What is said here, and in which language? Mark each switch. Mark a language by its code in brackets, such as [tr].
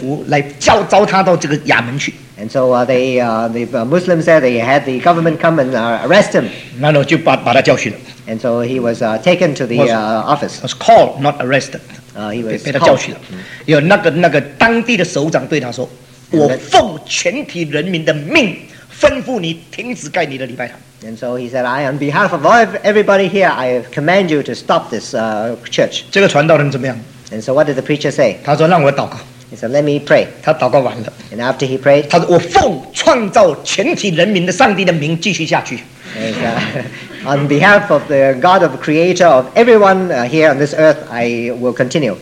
[zh] 建到一半呢，那些当地的回教徒叫政府来招他到这个衙门去。 [en] And so the Muslims there, they had the government come and arrest him. [zh] 然后就把他教训了。 [en] And so he was taken to the office. Was called, not arrested. He was [zh] 被他教训了。有那个当地的首长对他说，我奉全体人民的命吩咐你停止盖你的礼拜堂。 [en] And so he said, I, on behalf of all, everybody here, I command you to stop this church. [zh] 这个传道人怎么样？ [en] And so what did the preacher say? [zh] 他说让我祷告。 [en] He said, let me pray. [zh] 他祷告完了, [en] and after he prayed, [zh] 他说我奉创造全体人民的上帝的名继续下去。 [en] On behalf of the God of creator of everyone here on this earth, I will continue.